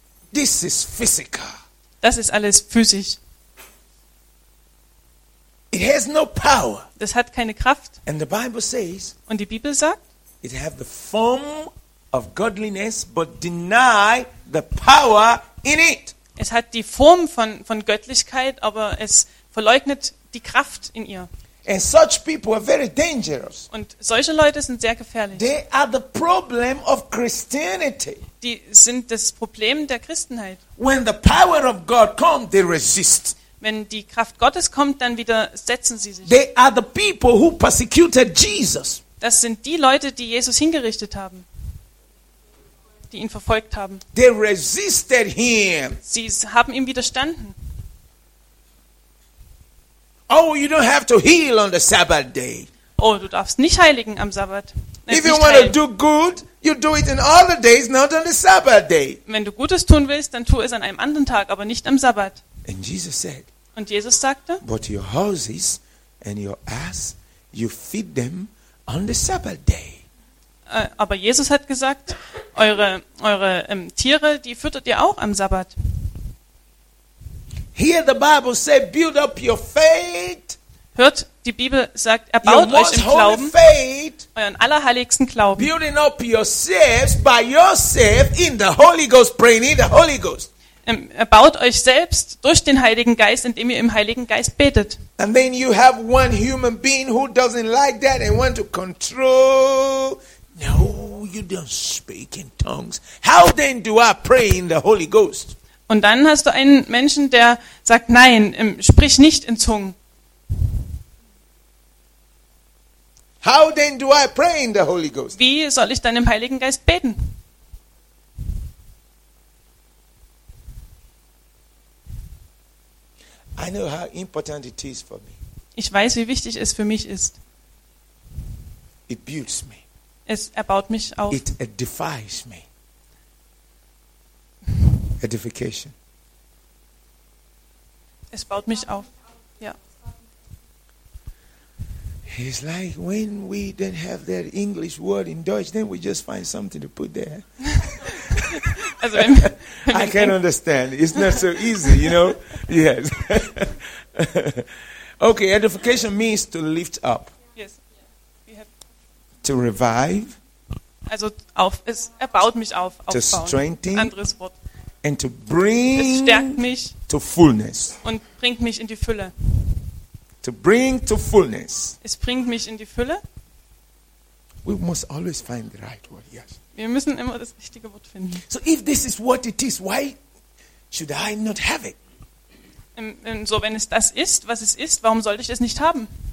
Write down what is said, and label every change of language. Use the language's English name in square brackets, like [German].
[English] This is physical. [German] Das ist alles physisch. [English] It has no power. [German] Das hat keine Kraft. [English] And the Bible says. [German] Und die Bibel sagt. [English] It have the form of godliness, but deny the power in it. [German] Es hat die Form von Göttlichkeit, aber es verleugnet die Kraft in ihr. [English] And such people are very dangerous. [German] Und solche Leute sind sehr gefährlich. [English] They are the problem of Christianity. [German] Die sind das Problem der Christenheit. [English] When the power of God comes, they resist. [German] Wenn die Kraft Gottes kommt, dann widersetzen sie sich. [English] They are the people who persecuted Jesus. [German] Das sind die Leute, die Jesus hingerichtet haben. Die ihn verfolgt haben. [English] They resisted him. [German] Sie haben ihm widerstanden. [English] Oh, you don't have to heal on the Sabbath day. [German] Oh, du darfst nicht heiligen am Sabbat. [English] If you want to do good, you do it in all the days, not on the Sabbath day. [German] Wenn du Gutes tun willst, dann tu es an einem anderen Tag, aber nicht am Sabbat. [English] And Jesus said. [German] Und Jesus sagte. [English] But your horses and your ass, you feed them on the Sabbath day. [German] Aber Jesus hat gesagt, eure Tiere, die füttert ihr auch am Sabbat. [English] Here the Bible says, build up your faith. [German] Hört, die Bibel sagt, erbaut euch im Glauben, [English] faith, [German] euren allerheiligsten Glauben. [English] Building up yourselves by yourself in the Holy Ghost, praying in the Holy Ghost. [German] Erbaut euch selbst durch den Heiligen Geist, indem ihr im Heiligen Geist betet. [English] And then you have one human being who doesn't like that and want to control. No, you don't speak in tongues. How then do I pray in the Holy Ghost? [German] Und dann hast du einen Menschen, der sagt, nein, sprich nicht in Zungen. [English] How then do I pray in the Holy Ghost? [German] Wie soll ich dann im Heiligen Geist beten? [English] I know how important it is for me. [German] Ich weiß, wie wichtig es für mich ist. [English] It builds me. [German] Es erbaut mich auf. [English] It edifies me. Edification. [German] Es baut mich auf. Ja. [English] It's like when we don't have that English word in Deutsch, then we just find something to put there. [German] Also wenn [English] I can understand. It's not so easy, you know? Yes. Okay, edification means to lift up. Yes. To revive. [German] Also auf. Es erbaut mich auf. [English] To strengthen. [German] Anderes Wort. [English] And to bring [German] es stärkt mich [English] to fullness. [German] Und bringt mich in die Fülle. [English] To bring to fullness. [German] Es bringt mich in die Fülle. [English] We must always find the right word, yes. [German] Wir müssen immer das richtige Wort finden. [English] So if this is what it is, why should I not have it? [German] So wenn es das ist, was es ist, warum sollte ich es nicht haben?